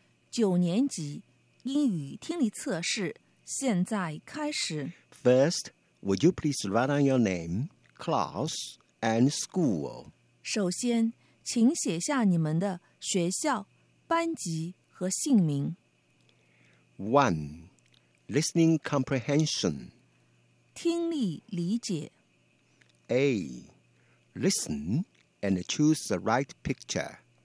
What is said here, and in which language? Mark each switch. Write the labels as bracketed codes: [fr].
[zh] 九年级英语听力测试现在开始。 [en] First, would you please write down your name, class, and school? [zh] 首先，请写下你们的学校、班级和姓名。 [en] One, listening comprehension. [zh] 听力理解。 [en] A, listen and choose the right picture.